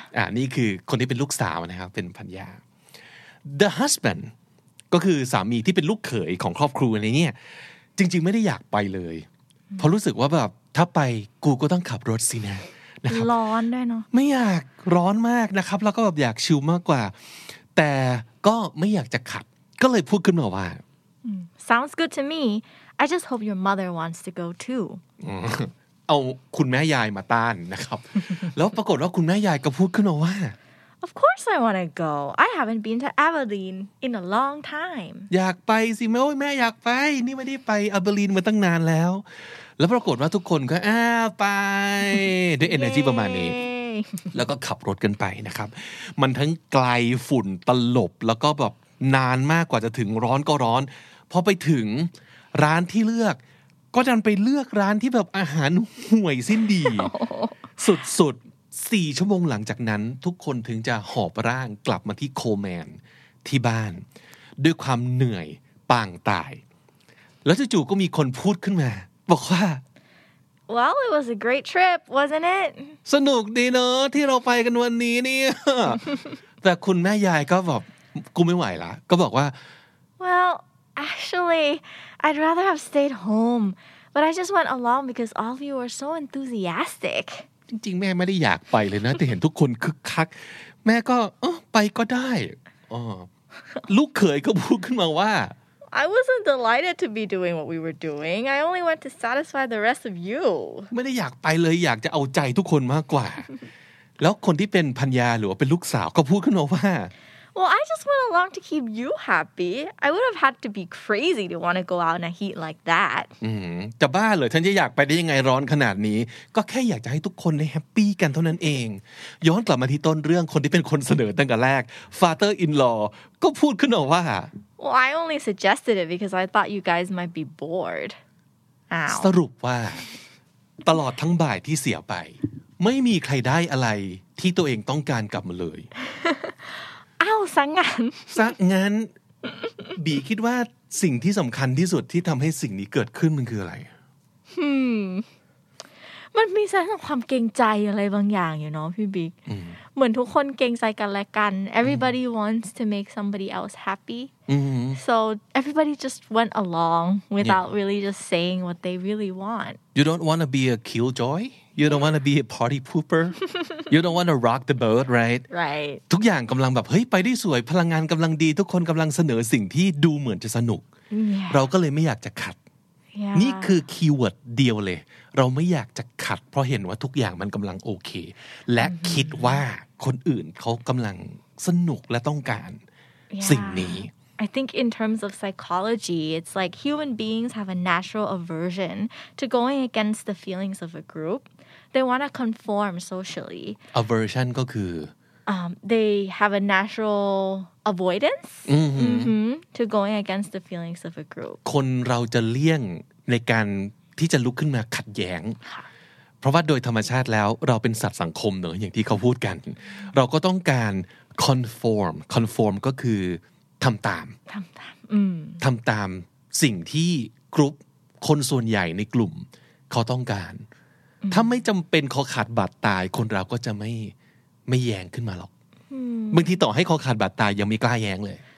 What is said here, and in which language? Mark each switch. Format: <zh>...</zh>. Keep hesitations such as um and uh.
<th>อ่านี่คือคนที่เป็นลูกสาวนะครับ เป็นพันยา the husband ก็คือสามีที่เป็นลูกเขยของครอบครัวในเนี้ยจริง ๆ ไม่ได้อยากไปเลย เพราะรู้สึกว่าแบบถ้าไปกูก็ต้องขับรถสินะนะครับ ร้อนด้วยเนาะ ไม่อยากร้อนมากนะครับ แล้วก็แบบอยากชิลมากกว่า แต่ก็ไม่อยากจะขัด ก็เลยพูดขึ้นมาว่า</th> <en>Sounds good to me I just hope your mother wants to go too</en> <th>เอาคุณแม่ยายมาต้านนะครับ แล้วปรากฏว่าคุณแม่ยายก็พูดขึ้นมาว่า</th> <en>Of course I want to go I haven't been to Abilene in a long time</en> <th>อยากไปสิแม่โอ้ยแม่อยากไป นี่ไม่ได้ไปอาเบอร์ลินมาตั้งนานแล้ว แล้วปรากฏว่าทุกคนก็อ้าไป ด้วย energy ประมาณนี้ Yay แล้วก็ขับรถกันไปนะครับ มันทั้งไกลฝุ่นตลบ แล้วก็แบบนานมากกว่าจะถึงร้อนก็ร้อน พอไปถึงร้านที่เลือก ก็ดันไปเลือกร้านที่แบบอาหารห่วยสิ้นดี สุดๆสี่ชั่วโมงหลังจากนั้น ทุกคนถึงจะหอบร่างกลับมาที่โคแมนที่บ้าน ด้วยความเหนื่อยปางตาย แล้วจู่ๆก็มีคนพูดขึ้นมา บอกว่า</th> <en>Well it was a great trip wasn't it</en> <th>สนุกดีเนอะที่เราไปกันวันนี้เนี่ย แต่คุณแม่ยายก็บอกกูไม่ไหวละก็บอกว่า</th> <en>Well actually I'd rather have stayed home but I just went along because all of you were so enthusiastic</en> <th>จริง ๆ แม่ไม่ได้อยากไปเลยนะ แต่เห็นทุกคนคึกคัก แม่ก็เออไปก็ได้อ๋อ ลูกเขยก็พูดขึ้นมาว่า</th> <en>I wasn't delighted to be doing what we were doing. I only went to satisfy the rest of you.</en> <th>ไม่ได้อยากไปเลยอยากจะเอาใจทุกคนมากกว่า แล้วคนที่เป็นพัญญาหรือว่าเป็นลูกสาวก็พูดขึ้นมาว่า</th> <en>Well, I just went along to keep you happy. I would have had to be crazy to want to go out in a heat like that.</en> <th>อืมจะบ้าเหรอฉันจะอยากไปได้ยังไงร้อนขนาดนี้ ก็แค่อยากจะให้ทุกคนได้แฮปปี้กันเท่านั้นเอง ย้อนกลับมาที่ต้นเรื่องคนที่เป็นคนเสนอตั้งแต่แรก father in law ก็พูดขึ้นมาว่า</th> <en>Well, I only suggested it because I thought you guys might be bored. ส Ow.</en> <th>รุปว่า ตลอดทั้งบ่ายที่เสียไป ไม่มีใครได้อะไรที่ตัวเองต้องการกลับมาเลย Ow, สังงาน ซะงั้น บีคิดว่าสิ่งที่สำคัญที่สุดที่ทำให้สิ่งนี้เกิดขึ้นมันคืออะไร มันมีเซนส์ของความเกรงใจอะไรบางอย่างอยู่เนาะพี่บิ๊กเหมือนทุกคนเกรงใจกันและกัน</th> <en>everybody wants to make somebody else happy อืม so everybody just went along without really just saying what they really want You don't want to be a killjoy. You don't want to be a party pooper. You don't want to rock the boat, right? right</en> <th>ทุกอย่างกำลังแบบเฮ้ยไปได้สวย พลังงานกำลังดี ทุกคนกำลังเสนอสิ่งที่ดูเหมือนจะสนุก yeah เราก็เลยไม่อยากจะขัด yeah นี่คือคีย์เวิร์ดเดียวเลย เราไม่อยากจะขัด เพราะเห็นว่าทุกอย่างมันกำลังโอเค และคิดว่าคนอื่นเขากำลังสนุกและต้องการ สิ่งนี้</th> <en>I think in terms of psychology, it's like human beings have a natural aversion to going against the feelings of a group. They want to conform socially.</en> <th>aversion ก็คือ</th> <en>um, they have a natural avoidance mhm, to going against the feelings of a group.</en> <th>คนเราจะเลี่ยงในการที่จะลุกขึ้นมาขัดแย้ง เพราะว่าโดยธรรมชาติแล้วเราเป็นสัตว์สังคมเนอะอย่างที่เขาพูดกัน เราก็ต้องการ conform conform ก็คือทำตามทำตามสิ่งที่กรุ๊ปคนส่วนใหญ่ในกลุ่ม เขาต้องการ ถ้าไม่จำเป็นคอขาดบาดตาย คนเราก็จะไม่ไม่แย้งขึ้นมาหรอกบางทีต่อให้คอขาดบาดตายยังไม่กล้าแย้งเลย</th>